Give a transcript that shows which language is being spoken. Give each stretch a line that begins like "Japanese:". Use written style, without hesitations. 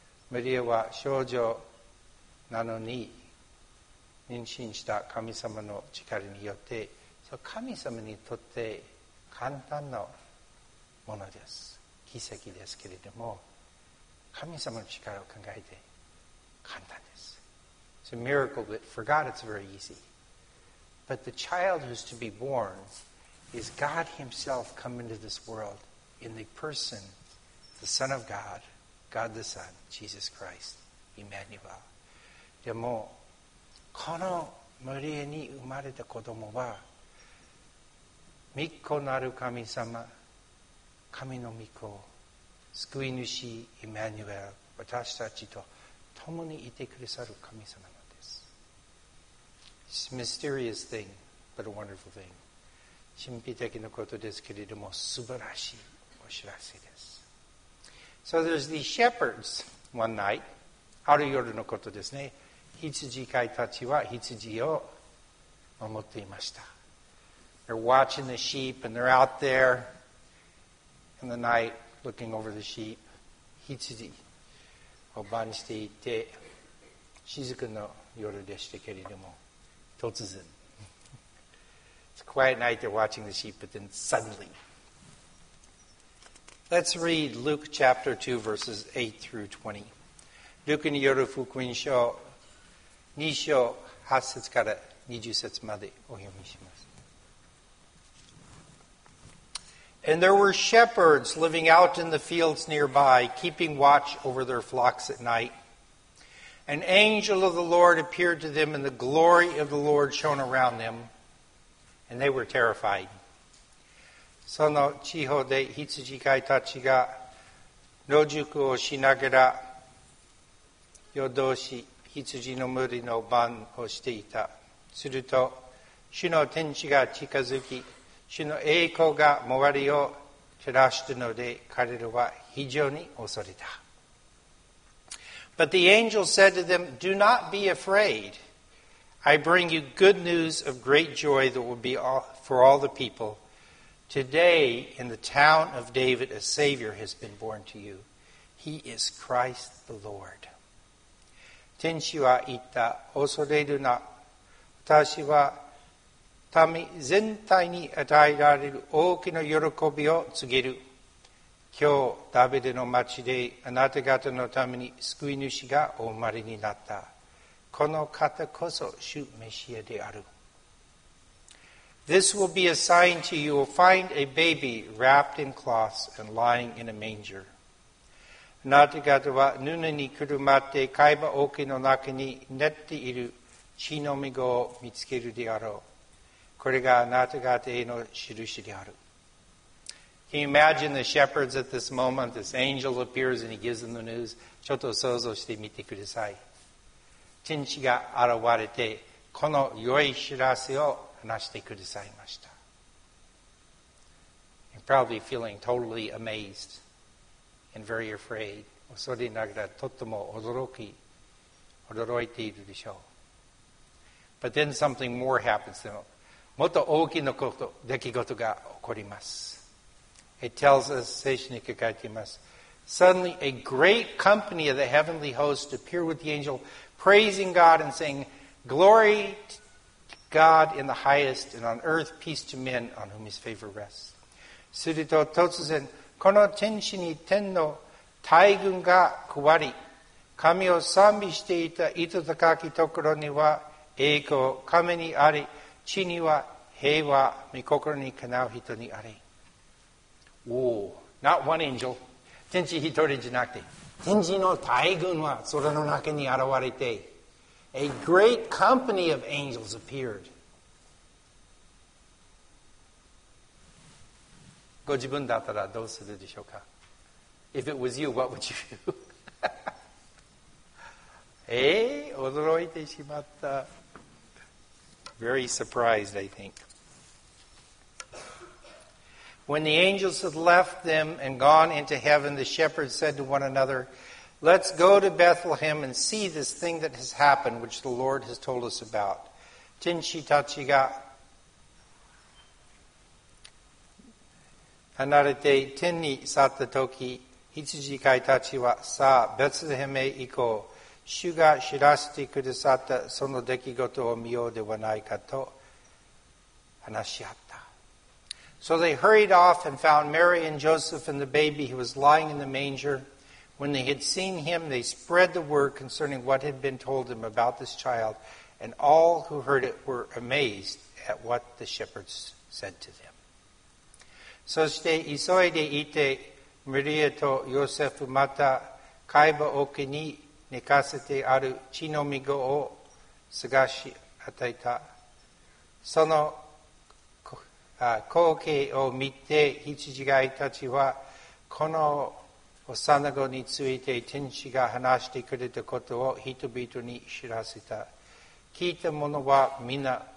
Japanese: マリアは少女なのに妊娠した神様の力によって、そう神様にとって簡単なものです。奇跡ですけれども、神様の力を考えて簡単です。
English: It's a miracle, but for God it's very easy. But the child who's to be born is God himself come into this world in the person, the Son of God, God the Son, Jesus Christ, Emmanuel.
Japanese: でも、このマリアに生まれた子供は、御子なる神様、神の御子、救い主エマニュエル、私たちと共にいてくださる神様なんです。
English: It's a mysterious thing, but a wonderful thing.
Japanese: 神秘的なことですけれども、素晴らしいお知らせです。
English: So there's these shepherds one night,
Japanese: ある夜のことですね。羊飼いたちは羊を守っていました。
English: They're watching the sheep and they're out there in the night looking over the sheep.
Japanese: 羊を番していて、静かな夜でしたけれども、突然。
English: Quiet night, they're watching the sheep, but then suddenly. Let's read Luke chapter 2, verses 8 through 20.
Japanese: Luke による福音書2章8節から20節までお読みします。
English: And there were shepherds living out in the fields nearby, keeping watch over their flocks at night. An angel of the Lord appeared to them, and the glory of the Lord shone around them. And they were terrified.
Japanese: その地方で羊飼いたちが野宿をしながら夜通し羊の群れの番をしていた。すると主の天使が近づき、主の栄光が周りを照らしたので彼らは非常に恐れた。
English: But the angel said to them, Do not be afraid. I bring you good news of great joy that will be all, for all the people. Today, in the town of David, a Savior has been born to you. He is Christ the Lord.
Japanese: 天使は言った、恐れるな。私は民全体に与えられる大きな喜びを告げる。今日、ダビデの町であなた方のために救い主がお生まれになった。この方こそ主メシアである。
English: This will be a sign to you. You will find a baby wrapped in cloths and lying in a manger.
Japanese: あなた方は布にくるまって飼い葉桶の中に寝ている血のみ子を見つけるであろう。これがあなた方への印である。
English: Can you imagine the shepherds at this moment? This angel appears and he gives them the news.
Japanese: ちょっと想像してみてください。天使が現れてこの良い知らせを話してくださいました。
English: You're probably feeling totally amazed and very afraid.
Japanese: 恐れながらとても驚いているでしょう。
English: But then something more happens to them.
Japanese: もっと大きなこと、出来事が起こります。
English: It tells us,
Japanese: 聖書に書かれています。
English: Suddenly a great company of the heavenly host appeared with the angel... Praising God and saying, Glory to God in the highest and on earth peace to men on whom his favor rests.
Japanese: すると突然、この天使に天の大軍が加り、神を賛美していた糸高きところには栄光、神にあり、地には平和、御心にかなう人にあり。
English: Whoa, not one angel.
Japanese: 天使一人じゃなくて。天使の大軍は空の中に現れて、
English: A great company of angels appeared.
Japanese: ご自分だったらどうするでしょうか?
English: If it was you, what would you do?
Japanese: 驚いてしまった。
English: Very surprised, I think. When the angels had left them and gone into heaven, the shepherds said to one another, Let's go to Bethlehem and see this thing that has happened, which the Lord has told us about.
Japanese: 天使たちが離れて天に去ったとき、羊飼いたちはさあ、ベツレヘムへ行こう。主が知らせてくださったその出来事を見ようではないかと話し合った。
English: So they hurried off and found Mary and Joseph and the baby who was lying in the manger. When they had seen him, they spread the word concerning what had been told them about this child, and all who heard it were amazed at what the shepherds said to them.
Japanese: そして急いでいて、マリアとヨセフまた飼い葉桶に寝かせてある血の御子を探し与えた。その光景を見て羊飼いたちはこの幼子について天使が話してくれたことを人々に知らせた。聞いた者は皆